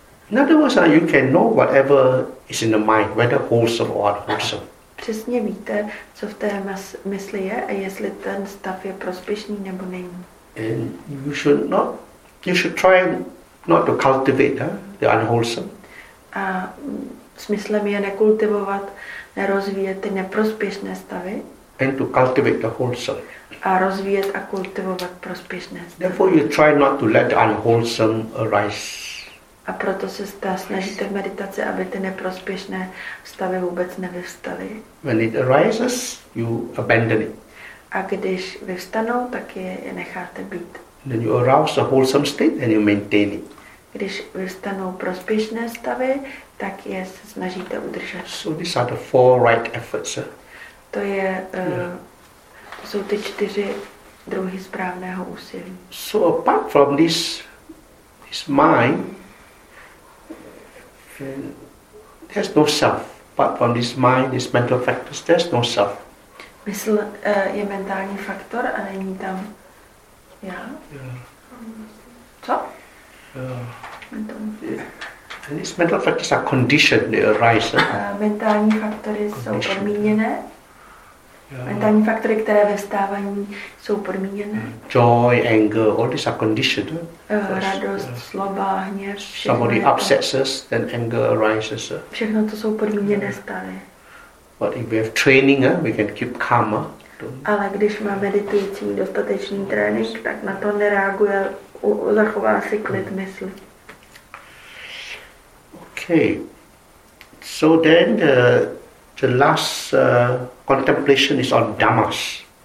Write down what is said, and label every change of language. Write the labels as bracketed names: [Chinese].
[English] In other words, you can know whatever is in the mind, whether wholesome or unwholesome. [Czech] Přesně víte, co v té mysli je a jestli ten stav je prospěšný nebo není. [English] And you should try not to cultivate the unwholesome. [Czech] A smyslem je nekultivovat, nerozvíjet ty neprospěšné stavy. [English] And to cultivate the wholesome. [Czech] A rozvíjet a kultivovat prospěšné stavy. [English] Therefore you try not to let the unwholesome arise. [Czech] A proto se snažíte v meditaci, aby ty neprospěšné stavy vůbec nevyvstaly. [English] When it arises, you abandon it. [Czech] A když vyvstanou, tak je necháte být. [English] Then you arouse the wholesome state and you maintain it. [Czech] Když vyvstanou prospěšné stavy, tak je se snažíte udržet. [English] So these are the four right efforts. Eh? [Czech] To jsou ty čtyři druhy správného úsilí. [English] So apart from this mind, and there's no self. Apart from this mind, this mental factors, there's no self. [Czech] Mysl je mentální faktor a není tam já. Co? [English] And these mental factors are conditioned, they arise. [Czech] Mentální faktory jsou podmíněné. Mentální faktory, které vyvstávají, jsou podmíněné. [English] Joy, anger, all these are conditioned. [Czech] Radost, zloba, hněv, všechno. [English] Somebody upsets us, then anger arises. [Czech] Všechno to jsou podmíněné stavy. [English] But if we have training, we can keep calm. [Czech] Ale když má meditující dostatečný trénink, tak na to nereaguje, zachová si klid mysli. [English] Okay. So then, the last contemplation is on dhammas.